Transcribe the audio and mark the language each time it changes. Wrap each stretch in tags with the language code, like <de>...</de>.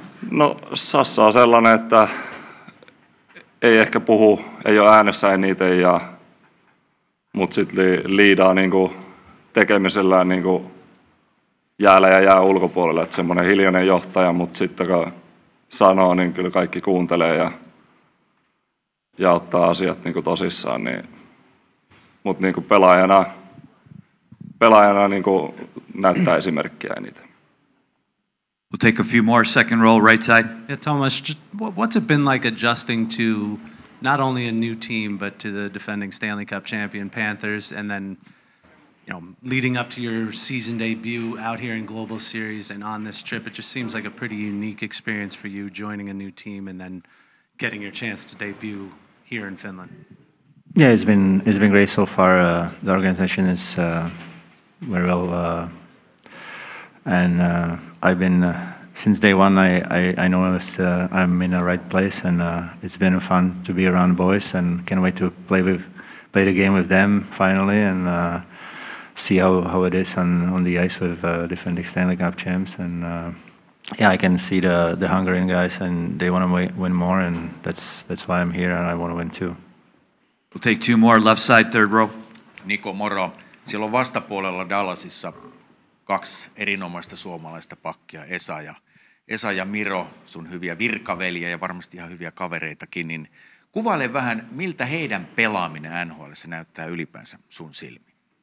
<fi>No Sassa on sellainen, että ei ehkä puhu, ei ole äänessä eniten, mutta sitten liidaa niinku tekemisellään niinku jäällä ja jää ulkopuolella. Että semmoinen hiljainen johtaja, mutta sitten kun sanoo, niin kyllä kaikki kuuntelee ja ottaa asiat niin kuin tosissaan, niin mut niin kuin pelaajana niin kuin näyttää esimerkkiä eniten.</fi> <en>We'll take a few more, second row, right side. Yeah, Thomas, what's it been like adjusting to not only a new team but to the defending Stanley Cup champion Panthers and then, you know, leading up to your season debut out here in Global Series and on this trip? It just seems like a pretty unique experience for you joining a new team and then getting your chance to debut here in Finland. Yeah, it's been great so far. The organization is very well, and I've been since day one. I know I'm in the right place, and it's been fun to be around boys, and can't wait to play the game with them finally, and see how it is on the ice with different Stanley Cup champs. And yeah, I can see the hunger in guys, and they want to win more, and that's why I'm here, and I want to win too. We'll take two more, left side, third row.</en> <fi>Niko, moro. Siellä on vastapuolella Dallasissa kaksi erinomaista suomalaista pakkia, Esa ja Miro, sun hyviä virkaveljiä ja varmasti ihan hyviä kavereitakin, niin kuvaile vähän, miltä heidän pelaaminen NHL:ssä näyttää ylipäänsä sun silmiin.</fi>